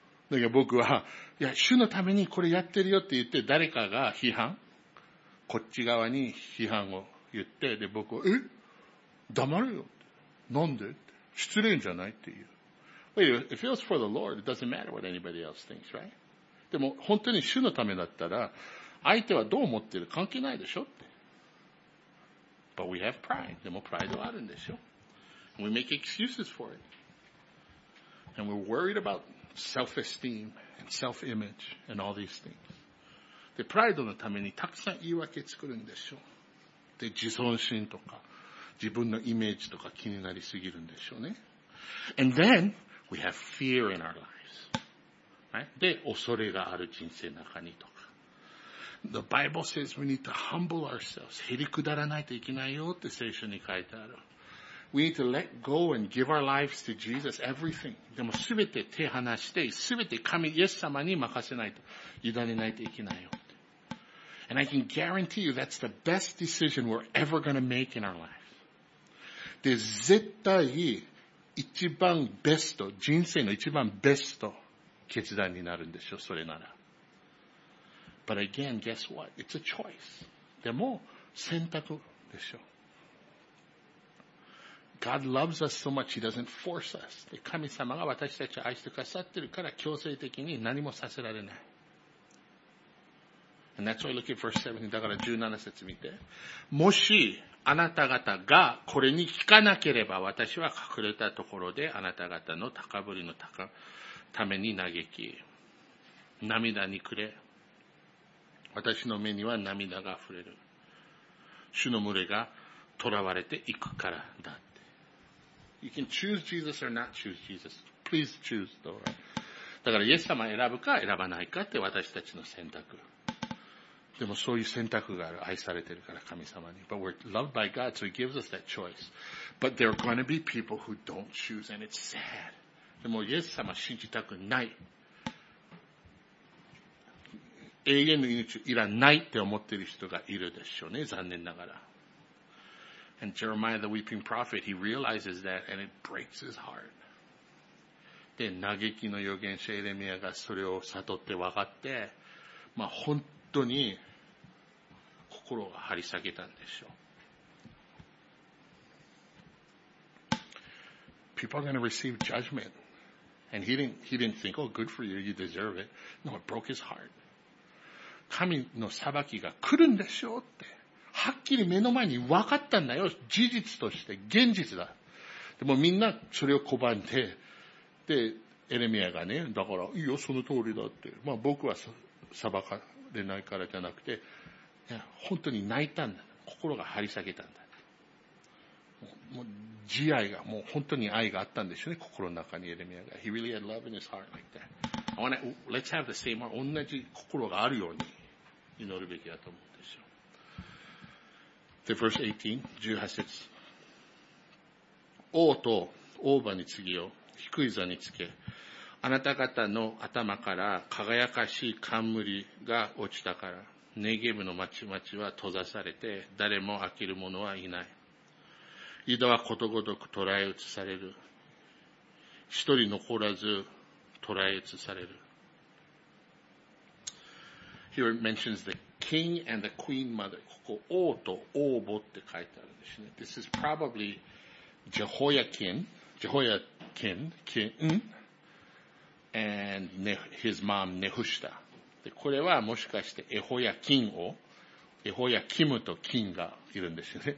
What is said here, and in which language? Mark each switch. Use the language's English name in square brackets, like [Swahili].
[Japanese] だから僕は、いや、主のためにこれやってるよって言って、誰かが批判、こっち側に批判を言って、で僕は、え?黙れよ。なんで? 失礼じゃないって言う。 [English] Wait, if it was for the Lord, it doesn't matter what anybody else thinks, right? [Japanese] でも本当に主のためだったら、相手はどう思ってる関係ないでしょって。 [English] But we have pride. [Japanese] でもプライドはあるんでしょ。 [English] We make excuses for it. And we're worried about self-esteem and self-image and all these things. [Japanese] で、プライドのためにたくさん言い訳作るんでしょ。で、自尊心とか、自分のイメージとか気になりすぎるんでしょうね。 [English] And then, we have fear in our lives. [Japanese] で、恐れがある人生の中にとか。 [English] The Bible says we need to humble ourselves. [Japanese] へりくだらないといけないよって聖書に書いてある。 [English] We need to let go and give our lives to Jesus, everything. [Japanese] でもすべて手放して、すべて神、イエス様に任せないと、委ねないといけないよって。 [English] And I can guarantee you that's the best decision we're ever going to make in our life. [Japanese] で、絶対、一番ベスト、人生の一番ベスト決断になるんでしょ、それなら。 [English] But again, guess what? It's a choice. [Japanese] でも、選択でしょ。 [English] God loves us so much, He doesn't force us. [Japanese] 神様が私たちを愛してくださってるから強制的に何もさせられない。 [English] And that's why look at verse 7, [Japanese] だから17節見て。もしあなた方がこれに聞かなければ私は隠れたところであなた方の高ぶりのために嘆き、涙にくれ。私の目には涙が溢れる。主の群れが囚われていくからだ。 [English] You can choose Jesus or not choose Jesus. Please choose the Lord. [Japanese] だから、イエス様を選ぶか選ばないかって私たちの選択。でも、そういう選択がある。愛されてるから、神様に。 [English] But we're loved by God, so He gives us that choice. But there are going to be people who don't choose, and it's sad. [Japanese] でも、イエス様を信じたくない。永遠の命いらないって思ってる人がいるでしょうね、残念ながら。 [English] And Jeremiah, the weeping prophet, he realizes that and it breaks his heart. [Japanese] で、嘆きの預言者エレミアがそれを悟って分かって、まあ本当に心が張り裂けたんでしょう。 [English] People are going to receive judgment. And he didn't think, oh, good for you, you deserve it. No, it broke his heart. [Japanese] 神の裁きが来るんでしょうって。はっきり目の前に分かったんだよ。事実として、現実だ。でもみんなそれを拒んで、で、エレミアがね、だから、いいよ、その通りだって。まあ僕は裁かれないからじゃなくて、いや、本当に泣いたんだ。心が張り裂けたんだ。もう、慈愛が、もう本当に愛があったんでしょうね、心の中にエレミアが。 [English] He really had love in his heart like that. I wanna, let's have the same heart. [Japanese] 同じ心があるように祈るべきだと思うんですよ。で、verse 18, 18節。王と王馬に次を、低い座につけ、あなた方の頭から輝かしい冠が落ちたから、ネゲブの町々は閉ざされて、誰も飽きる者はいない。ユダはことごとく捕らえ移される。一人残らず捕らえ移される。 [English] Here it mentions the king and the queen mother. [Japanese] ここ王と王母って書いてあるんですね。 [English] This is probably Jehoiakim, and his mom Nehushta. [Japanese] で、これはもしかしてエホヤキンを、エホヤキムとキンがいるんですね。